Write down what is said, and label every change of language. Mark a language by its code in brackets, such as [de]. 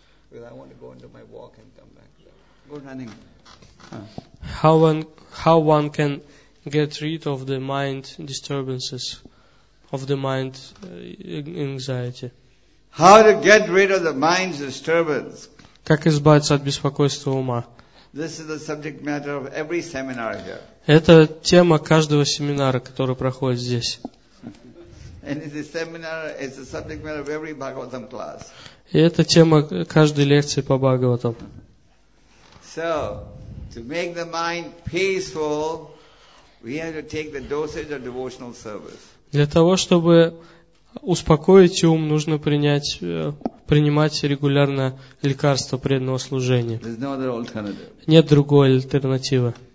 [en] Because I want to go into my walk and come back. Go running. How one can get rid of the mind disturbances, of the mind anxiety? How to get rid of the mind's disturbance? [ru] Как избавиться от беспокойства ума? [en] This is the subject matter of every seminar here. [ru] Это тема каждого семинара, который проходит здесь. [en] And it's a seminar, it's the subject matter of every Bhagavatam class. [ru] И это тема каждой лекции по Бхагаватам. [en] So, to make the mind peaceful, we have to take the dosage of devotional service. [ru] Для того, чтобы успокоить ум, нужно принимать регулярно лекарства преданного служения. Нет другой альтернативы.